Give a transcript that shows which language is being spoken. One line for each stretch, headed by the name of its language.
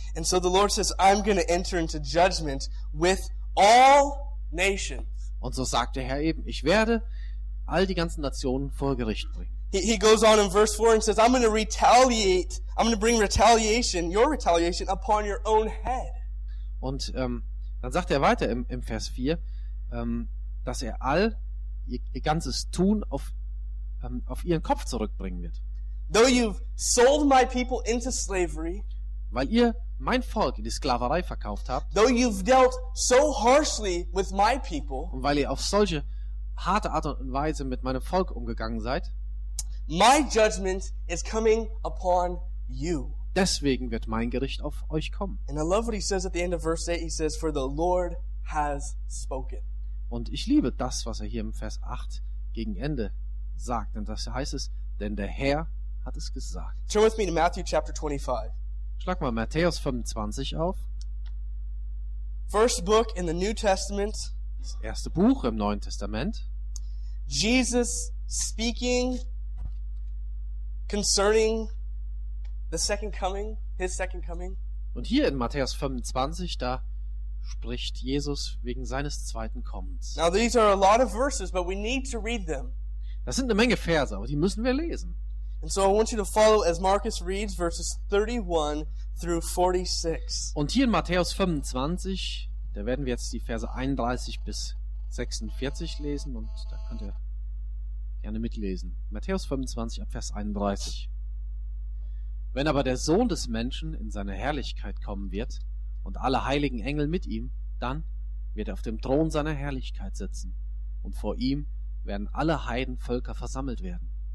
English: And so the Lord says, I'm going to enter into judgment with all nations.
German: Und so sagt der Herr eben, ich werde all die ganzen Nationen vor Gericht bringen.
English: He goes on in verse 4 and says, I'm going to retaliate. I'm going to bring retaliation, your retaliation upon your own head.
German: Und dann sagt er weiter im Vers 4, dass er all ihr ganzes Tun auf ihren Kopf zurückbringen wird.
English: Though you've sold my people into slavery,
German: weil ihr mein Volk in die Sklaverei verkauft habt,
English: though you've dealt so harshly with my people,
German: und weil ihr auf solche harte Art und Weise mit meinem Volk umgegangen seid,
English: my judgment is coming upon you.
German: Deswegen wird mein Gericht auf euch kommen.
English: And I love what he says at the end of verse 8. He says, for the Lord has spoken.
German: Und ich liebe das, was er hier im Vers 8 gegen Ende sagt. Denn das heißt es, denn der Herr hat es gesagt.
English: Turn with me to Matthew chapter 25.
German: Schlag mal Matthäus 25 auf.
English: First book in the New Testament.
German: Das erste Buch im Neuen Testament.
English: Jesus speaking concerning the second coming, his second coming.
German: Und hier in Matthäus 25, da spricht Jesus wegen seines zweiten Kommens.
English: Now these are a lot of verses, but we need to read them.
German: Das sind eine Menge Verse, aber die müssen wir lesen.
English: And so I want you to follow as Marcus reads verses 31 through 46.
German: Und hier in Matthäus 25, da werden wir jetzt die Verse 31 bis 46 lesen und da könnt ihr gerne mitlesen. Matthäus 25, ab Vers 31. Wenn aber der Sohn des Menschen in seine Herrlichkeit kommen wird und alle heiligen Engel mit ihm, dann wird er auf dem Thron seiner Herrlichkeit sitzen und vor ihm werden alle Heidenvölker versammelt werden.